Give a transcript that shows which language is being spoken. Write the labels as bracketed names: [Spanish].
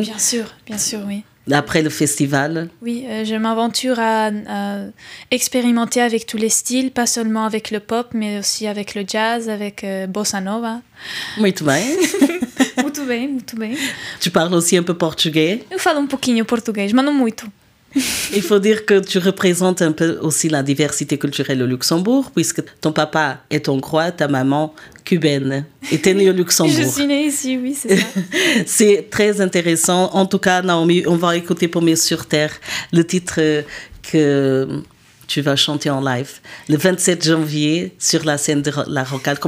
[French] Bien sûr, oui. après le festival. Oui, je m'aventure à expérimenter avec tous les styles, pas seulement avec le pop, mais aussi avec le jazz, avec bossa nova. [Portuguese] Muito bem. Muito bem, muito bem. [French] Tu parles aussi un peu portugais? [Portuguese] Eu falo um pouquinho português, mas não muito. [French] Il faut dire que tu représentes un peu aussi la diversité culturelle au Luxembourg, puisque ton papa est hongrois, ta maman cubaine, et t'es née au Luxembourg. Je suis née ici, oui, c'est ça. C'est très intéressant. En tout cas, Naomi, on va écouter pour Paumé sur Terre, le titre que tu vas chanter en live, le 27 janvier, sur la scène de la Rocade.